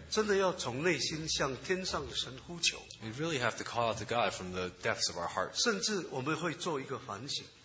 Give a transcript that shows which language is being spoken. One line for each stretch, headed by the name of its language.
Chinese: 真的要从内心向天上的神呼求,
English: we really have to call out to God from the depths of our hearts.
Chinese: 甚至我们会做一个反省,